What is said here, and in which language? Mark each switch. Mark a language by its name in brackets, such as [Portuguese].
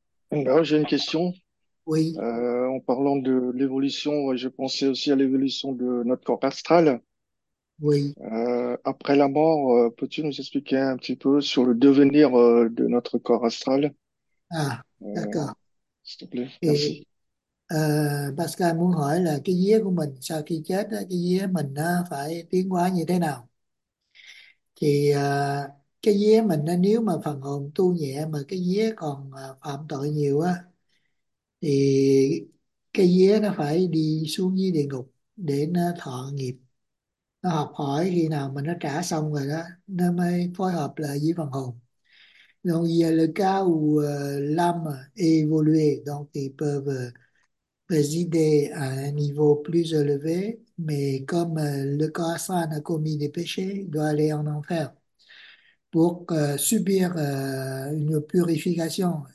[French] J'ai une question. Oui. En parlant de l'évolution, je pensais aussi à l'évolution de notre corps astral. Oui. Après la mort, peux-tu nous expliquer un petit peu sur le devenir de notre corps astral? À, d'accord. S'il te plaît, Et merci. [Vietnamese] Pascal muốn hỏi là cái vía của mình sau khi chết, cái vía mình phải tiến hóa như thế nào? Thì cái vía mình nếu mà phần hồn tu nhẹ mà cái vía còn phạm tội nhiều á, thì cái vía nó phải đi xuống dưới địa ngục để nó thọ nghiệp. Nó học hỏi, khi nào mà nó trả xong rồi đó, nó mới phối hợp lại với phần hồn. [French] Donc, il y a le cas où l'âme évolue, donc ils peuvent résider à un niveau plus élevé, mais comme le corps astral a commis des péchés, il doit aller en enfer pour subir une purification.